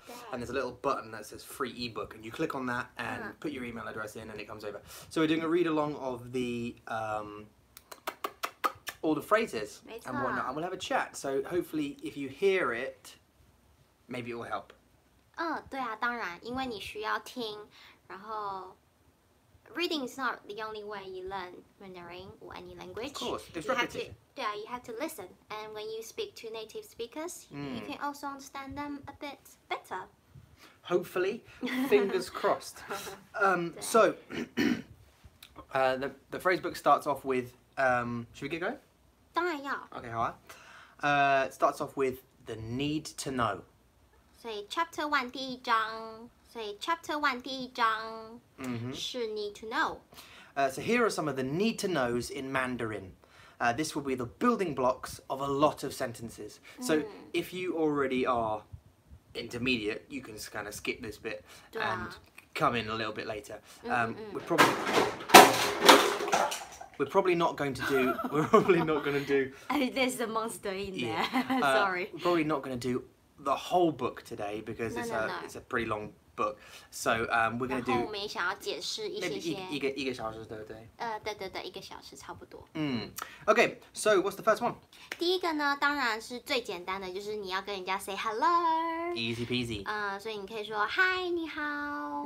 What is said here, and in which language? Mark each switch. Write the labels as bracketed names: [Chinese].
[English] Yeah. And there's a little button that says free ebook and you click on that and put your email address in and it comes over. So we're doing a read along of the all the phrases and whatnot. And we'll have a chat. So hopefully if you hear it, maybe it will help. [Chinese] 对啊，当然，因为你需要听，然后。 [English] Reading is not the only way you learn Mandarin or any language. Of course, it's repetition. You have to listen. And when you speak to native speakers, you can also understand them a bit better. Hopefully. Fingers crossed. the phrase book starts off with... should we get going? [Chinese] 当然要。 [English] Okay, [Chinese] 好啊。 [English] It starts off with the need to know. So, chapter 1, 第一章。So chapter 1, 第一章是 need to know. So here are some of the need to knows in Mandarin. This will be the building blocks of a lot of sentences. So if you already are intermediate, you can just kind of skip this bit and come in a little bit later. We're probably not going to do... There's a monster in there. Sorry. We're probably not going to do the whole book today because it's a pretty long book. So we're going to do... [Chinese] 然后我们也想要解释一些些。一个小时，对不对？对对对，一个小时差不多。 [English] Okay, so what's the first one? [Chinese] 第一个呢，当然是最简单的，就是你要跟人家 [English] say hello. Easy peasy. [Chinese] 所以你可以说 hi, 你好。